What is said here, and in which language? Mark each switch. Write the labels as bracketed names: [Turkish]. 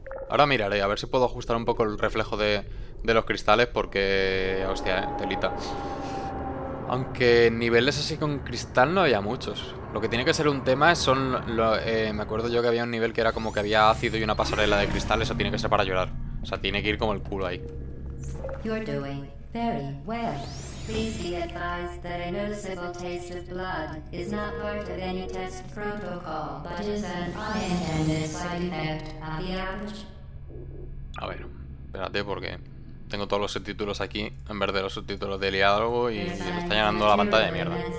[Spanish] Ahora miraré, a ver si puedo ajustar un poco el reflejo de los cristales, porque... Hostia, telita. Aunque niveles así con cristal no había muchos. Lo que tiene que ser un tema son... me acuerdo yo que había un nivel que era como que había ácido y una pasarela de cristal. Eso tiene que ser para llorar. O sea, tiene que ir como el culo ahí. [English] You're doing very well. Please be advised that a noticeable taste of blood is not part of any test protocol, but is an unintended side effect of the average. [Spanish] A ver, espérate porque tengo todos los subtítulos aquí en vez de los subtítulos de diálogo y se me está llenando la pantalla de mierda.